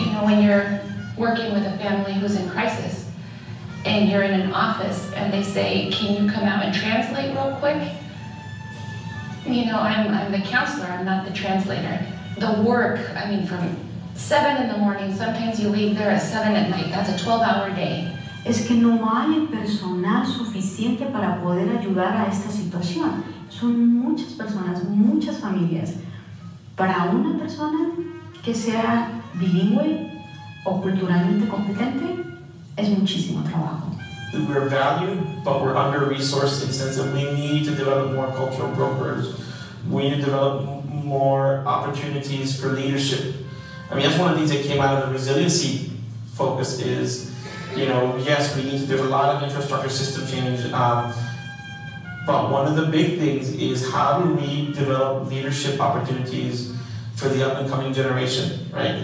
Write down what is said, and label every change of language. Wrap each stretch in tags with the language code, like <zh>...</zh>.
<en>You know, when you're working with a family who's in crisis and you're in an office and they say, can you come out and translate real quick? You know, I'm the counselor, I'm not the translator. The work, I mean, from 7 in the morning, sometimes you leave there at 7 at night. That's a 12-hour day.</en> <es>es que no hay personal suficiente para poder ayudar a esta situación. Son muchas personas, muchas familias. Para una persona que sea bilingüe o culturalmente competente, es muchísimo trabajo.</es> <en>We're valued, but we're under-resourced in the sense that we need to develop more cultural brokers. We need to develop more opportunities for leadership. I mean, that's one of the things that came out of the resiliency focus is, you know, yes, we need to do a lot of infrastructure system change, but one of the big things is how do we develop leadership opportunities for the up-and-coming generation, right?</en>